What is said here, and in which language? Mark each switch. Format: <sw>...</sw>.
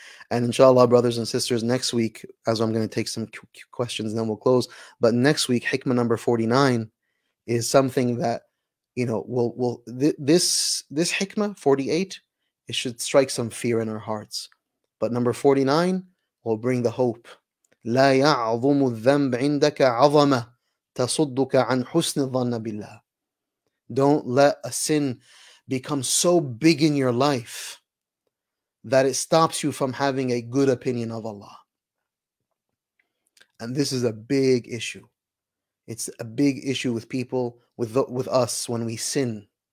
<en>And inshallah, brothers and sisters, next week, as I'm going to take some questions and then we'll close. But next week, Hikmah number 49 is something that, you know, this Hikmah 48, it should strike some fear in our hearts. But number 49 will bring the hope.</en> <ar>لا يعظم الذنب عندك عظمة تصدك عن حسن الظن بالله.</ar> <en>Don't let a sin become so big in your life that it stops you from having a good opinion of Allah. And this is a big issue. It's a big issue with people, with us, when we sin.</en>